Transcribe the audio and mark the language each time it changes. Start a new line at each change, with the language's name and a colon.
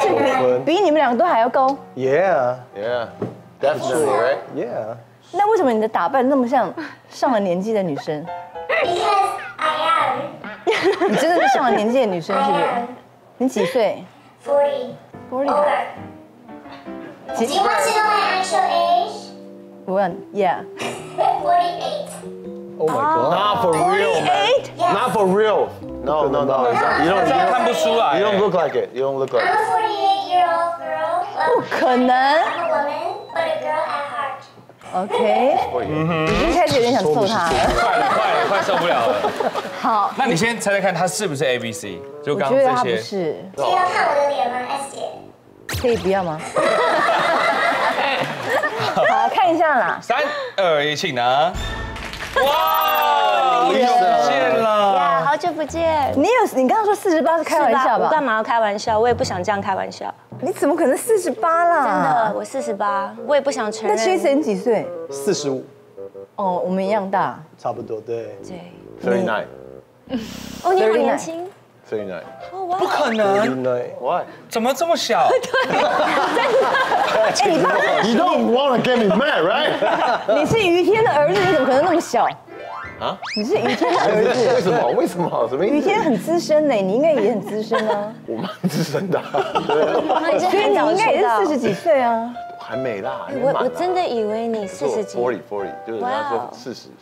Chinese: 九分比你们两个都还要高。
English: Yeah, definitely, right?
Chinese: 那为什么你的打扮那么像上了年纪的女生
English: ？Because I am.
Chinese: 你真的是上了年纪的女生，是不是？你几岁
English: ？40. Over. Do you want to know my actual age? One. Yeah. 48. Oh my god. Not for real, man. Not for real. No, you don't.
Chinese: 看不出来。
English: You don't look like it. You don't look like. I'm a 48-year-old girl.
Chinese: 不可能。
English: I'm a woman, but a girl at heart.
Chinese: OK， 已经开始有点想揍他了，快了，快受不了了。好，那你先猜猜看他是不是 A B C？就刚刚这些，不是。可以要看我的脸吗 ，S 姐？可以不要吗？好，看一下啦。三二一，请拿。哇，又不见了。好久不见，你有你刚刚说四十八是开玩笑吧？我干嘛要开玩笑？我也不想这样开玩笑。你怎么可能四十八啦？真的，我四十八，我也不想承认。那 Jason 几岁？四十五。哦，我们一样大。差不多，对。对。 39。哦，你好年轻。 39。不可能。
English: Why？
Chinese: 怎么这么小？对。真的。哎，你
English: don't want to get me mad, right？
Chinese: 你是于天的儿子，你怎么可能那么小？啊！你是于天的儿子？为什么？为什么？什么意思？于天很资深呢，你应该也很资深啊。我蛮资深的，所以你应该也是四十几岁啊。还没啦，我真的以为你四十几。 Forty， 就是他说四十，